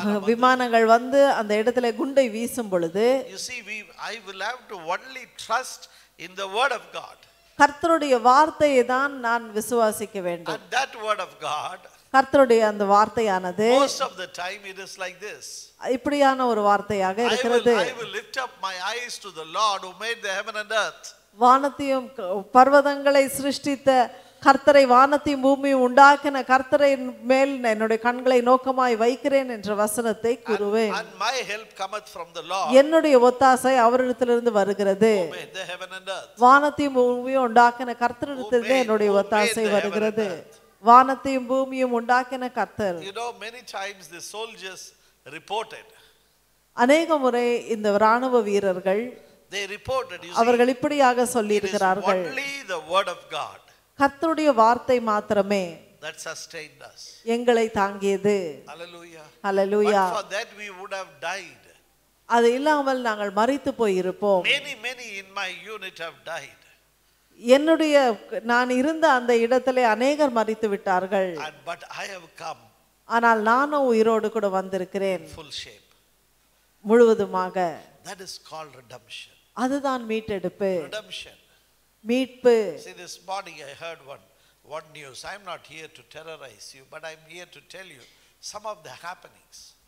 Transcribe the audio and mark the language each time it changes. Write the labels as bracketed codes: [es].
[ta] விமானங்கள் வந்து அந்த இடத்திலே குண்டை வீசும் பொழுது [en] you see I will have to only trust in the word of God [ta] கர்த்தருடைய வார்த்தையை தான் நான் விசுவாசிக்க வேண்டும் [en] and that word of God [ta] கர்த்தருடைய அந்த வார்த்தையானது [en] most of the time it is like this [ta] இப்படியான ஒரு வார்த்தையாக இருக்கிறது [en] I will lift up my eyes to the Lord who made the heaven and earth [ta] வானத்தையும் பர்வதங்களை சிருஷ்டித்த கர்த்தரை வானத்தையும் பூமியையும் உண்டாக்கின கர்த்தரின் மேல் என்னுடைய கண்களை நோக்கமாய் வைக்கிறேன் என்ற வசனத்தை கூறுவேன் [en] and my help cometh from the Lord [ta] என்னுடைய ஒத்தாசை அவரிடத்திலிருந்து வருகிறது வானத்தையும் பூமியையும் உண்டாக்கின கர்த்தரிடத்திலிருந்து என்னுடைய ஒத்தாசை வருகிறது வானத்தையும் பூமியையும் உண்டாக்கின கர்த்தர் [en] you know many times the soldiers reported [ta] அநேக முறை இந்த இராணுவ வீரர்கள் [en] they reported [ta] அவர்கள் இப்படியாக சொல்லி இருக்கிறார்கள் [en] only the word of God [ta] கர்த்தருடைய வார்த்தை மாத்திரமே [en] that sustained us [ta] எங்களை தாங்கியது [en] hallelujah but for that we would have died [ta] அது இல்லாமல் நாங்கள் மரித்து போயிருப்போம் [en] many in my unit have died [ta] என்னுடைய நான் இருந்த அந்த இடத்திலே அநேகர் மரித்து விட்டார்கள் [en] and but I have come [ta] ஆனால் நானும் உயிரோடு கூட வந்திருக்கிறேன் [en] full shape [ta] முழுவதுமாக [en] that is called redemption [ta] அதுதான் மீட்டெடுப்பு [en] redemption [ta] meetpu [en] see this body I heard one news I am not here to terrorize you but I am here to tell you some of the happenings